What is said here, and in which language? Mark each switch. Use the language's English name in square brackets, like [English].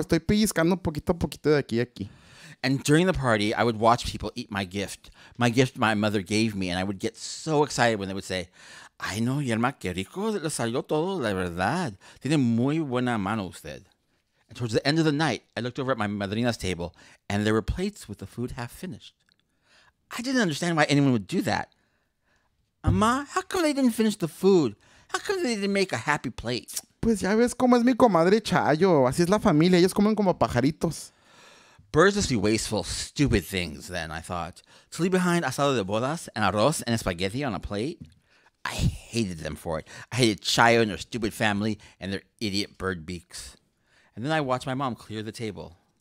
[Spanish] Estoy pellizcando poquito a poquito de aquí a aquí. [English] And during the party, I would watch people eat my gift my mother gave me, and I would get so excited when they would say, [Spanish] ay, no, yerma, qué rico le salió todo, la verdad. Tiene muy buena mano usted. [English] Towards the end of the night, I looked over at my madrina's table, and there were plates with the food half finished. I didn't understand why anyone would do that. Amá, how come they didn't finish the food? How come they didn't make a happy plate? [Spanish] Pues ya ves cómo es mi comadre Chayo. Así es la familia. Ellos comen como pajaritos. [English] Birds must be wasteful, stupid things, then, I thought. To leave behind asado de bodas and arroz and espagueti on a plate? I hated them for it. I hated Chayo and their stupid family and their idiot bird beaks. And then I watch my mom clear the table.